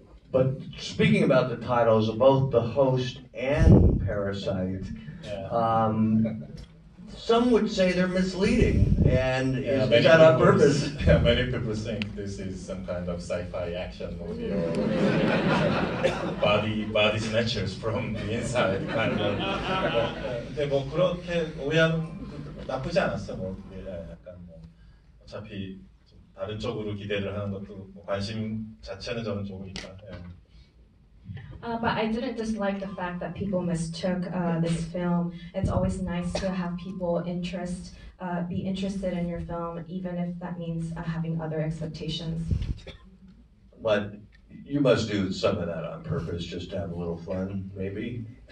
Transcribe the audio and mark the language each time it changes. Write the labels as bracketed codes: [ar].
[en] But speaking about the titles of both the host and parasite, some would say they're misleading. And is that on purpose? Yeah, many people think this is some kind of sci-fi action movie or body snatchers from the inside kind of. [ko] 근데 뭐 그렇게 오해하면 나쁘지 않았어. 뭐 약간 뭐 어차피 다른 쪽으로 기대를 하는 것도 관심 자체는 저는 좋으니까. [en] But I didn't dislike the fact that people mistook this film. It's always nice to have people be interested in your film, even if that means having other expectations. But you must do some of that on purpose, just to have a little fun, maybe?